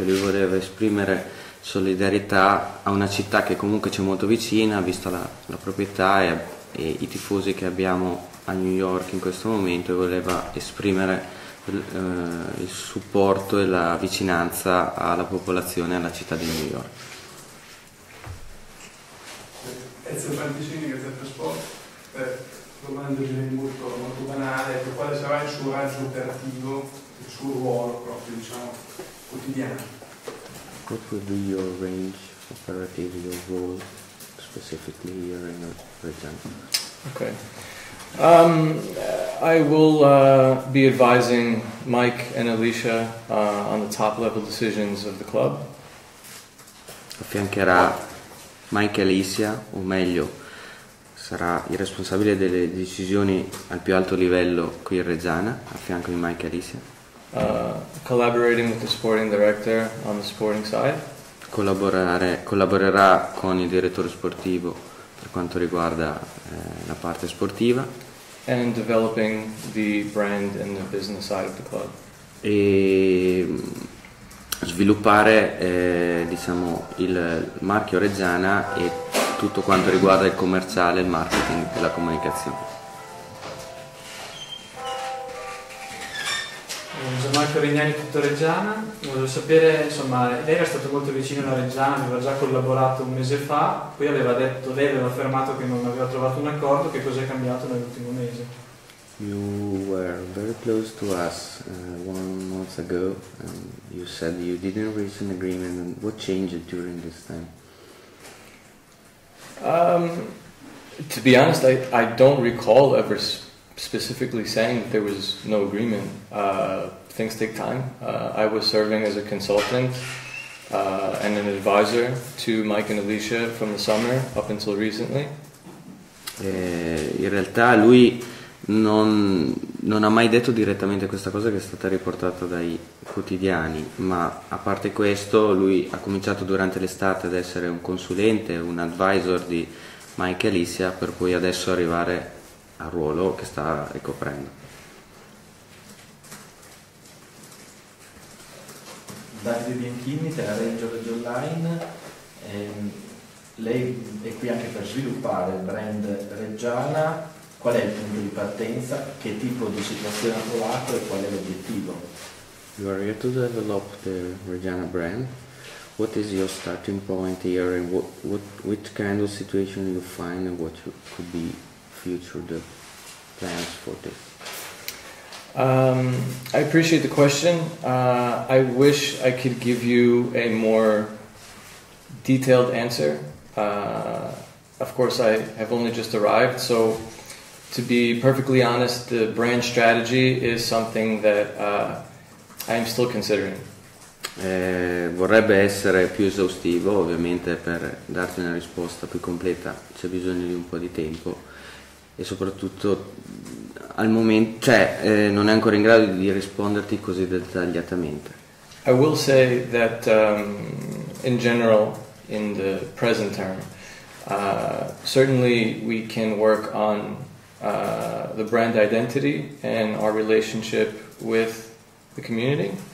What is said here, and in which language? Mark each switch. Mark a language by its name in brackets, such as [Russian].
[Italian] Lui voleva esprimere solidarietà a una città che comunque ci è molto vicina, vista la proprietà e i tifosi che abbiamo a New York in questo momento, e voleva esprimere il supporto e la vicinanza alla popolazione e alla città di New York. Ezio Fanticini, Grazia Trasporto. Domanda molto, molto banale: quale sarà il suo raggio operativo, il suo ruolo proprio, diciamo, quotidiano? [English] What would be your range operative, your role, specifically here in Reggiana? Okay. I will be advising Mike and Alicia on the top level decisions of the club. [Italian] Affiancherà Mike e Alicia, o meglio, sarà il responsabile delle decisioni al più alto livello qui in Reggiana, a fianco di Mike e Alicia. [English] Collaborating with the sporting director on the sporting side. [Italian] Collaborerà con il direttore sportivo per quanto riguarda la parte sportiva. [English] And developing the brand and the business side of the club. [Italian] E sviluppare diciamo il marchio Reggiana e tutto quanto riguarda il commerciale, il marketing e la comunicazione. Marco Rignani, tutto Reggiana. Volevo sapere, insomma, lei era stato molto vicino alla Reggiana, aveva già collaborato un mese fa, poi aveva detto, lei aveva affermato che non aveva trovato un accordo. Che cosa è cambiato nell'ultimo mese? [English] You were very close to us one month ago, and you said you didn't reach an agreement. What changed during this time? To be honest, I don't recall ever specifically saying that there was no agreement. Things take time. I was serving as a consultant and an advisor to Mike and Alicia from the summer up until recently. [Italian] In realtà lui non ha mai detto direttamente questa cosa che è stata riportata dai quotidiani, ma a parte questo lui ha cominciato durante l'estate ad essere un consulente, un advisor di Mike e Alicia, per poi adesso arrivare al ruolo che sta ricoprendo. Davide Bianchini, della Reggio Online. Lei è qui anche per sviluppare il brand Reggiana. Qual è il punto di partenza? Che tipo di situazione ha trovato e qual è l'obiettivo? [English] You are here to develop the Reggiana brand. What is your starting point here and which kind of situation you find and what could be future the plans for this? I appreciate the question. I wish I could give you a more detailed answer. Of course, I have only just arrived, so to be perfectly honest, the brand strategy is something that I am still considering. [Italian] Vorrebbe essere più esaustivo, ovviamente per darti una risposta più completa c'è bisogno di un po' di tempo. E soprattutto al momento, cioè non è ancora in grado di risponderti così dettagliatamente. [English] I will say that in general, in the present term, certainly we can work on the brand identity and our relationship with the community.